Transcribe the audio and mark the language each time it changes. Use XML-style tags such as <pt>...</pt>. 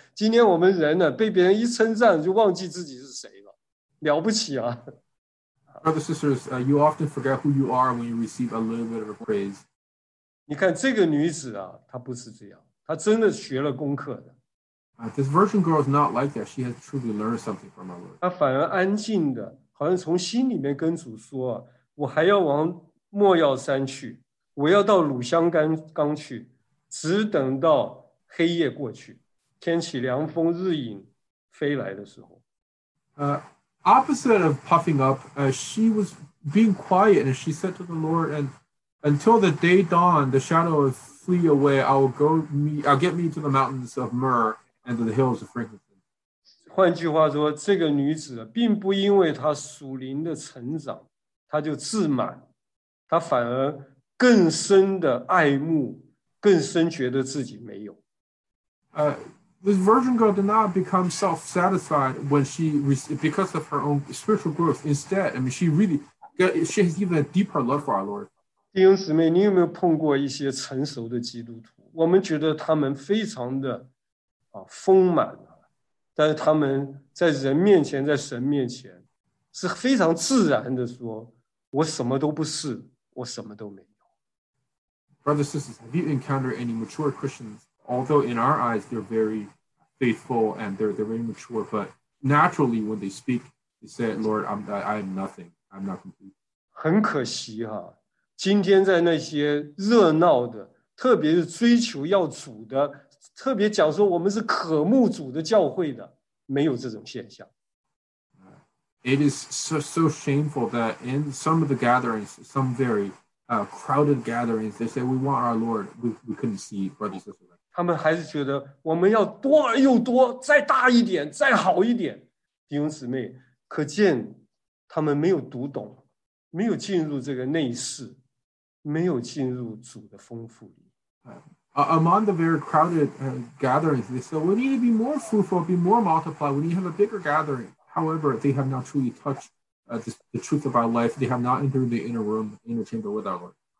<zh>今天我们人呢，被别人一称赞，就忘记自己是谁了，了不起啊！</zh> <en>Brothers and sisters, you often forget who you are when you receive a little bit of a praise.</en> <zh>你看这个女子啊，她不是这样，她真的学了功课的。</zh> <en>This virgin girl is not like that. She has truly learned something from our Lord.</en> <zh>她反而安静的，好像从心里面跟主说：“我还要往莫要山去，我要到鲁香冈去，只等到黑夜过去，天起凉风，日影飞来的时候。”</zh> <en>Opposite of puffing up, she was being quiet and she said to the Lord, and until the day dawn, the shadow will flee away, I'll get me to the mountains of myrrh and to the hills of frankincense.</en> <zh>换句话说，这个女子并不因为她属灵的成长，她就自满，她反而更深的爱慕，更深觉得自己没有。</zh> <en>This virgin girl did not become self-satisfied when she because of her own spiritual growth. Instead, I mean, she has even a deeper love for our Lord.</en> <zh>弟兄姊妹，你有没有碰过一些成熟的基督徒？我们觉得他们非常的丰满，但是他们在人面前，在神面前，是非常自然的说：“我什么都不是，我什么都没有。”</zh> <en>Brothers and sisters, have you encountered any mature Christians? Although in our eyes they're very faithful and they're very mature, but naturally when they speak, they say, "Lord, I'm nothing. I'm not complete."</en> <zh>很可惜哈，今天在那些热闹的，特别是追求要主的，特别讲说我们是渴慕主的教会的，没有这种现象。</zh> <en>It is so shameful that in some of the gatherings, some very crowded gatherings, they say, "We want our Lord." We couldn't see brothers and sisters.</en> <zh>他们还是觉得我们要多而又多，再大一点，再好一点。弟兄姊妹，可见他们没有读懂，没有进入这个内室，没有进入主的丰富里。</zh> <en>Among the very crowded gatherings, they said, "We need to be more fruitful, be more multiplied. We need to have a bigger gathering." However, they have not truly touched the truth of our life. They have not entered the inner room, inner chamber with our Lord.</en>